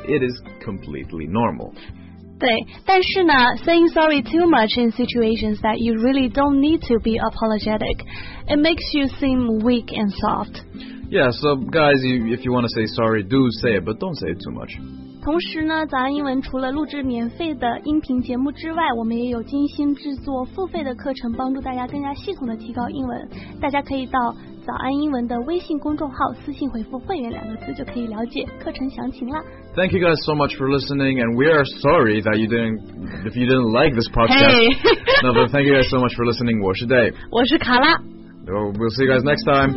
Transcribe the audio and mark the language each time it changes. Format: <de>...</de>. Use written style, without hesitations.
<en>It is completely normal.</en> <zh>对，但是呢</zh> <en>saying sorry too much in situations that you really don't need to be apologetic, it makes you seem weak and soft. Yeah, so guys, if you want to say sorry, do say it, but don't say it too much.</en> <zh>同时呢早安英文除了录制免费的音频节目之外我们也有精心制作付费的课程帮助大家更加系统的提高英文大家可以到早安英文的微信公众号私信回复会员两个字就可以了解课程详情了</zh> <en>Thank you guys so much for listening and we are sorry that you didn't if you didn't like this podcast、 hey. No, but thank you guys so much for listening</en> <zh>我是</zh> <en>Dave</en> <zh>我是卡拉</zh> <en>We'll see you guys next time</en>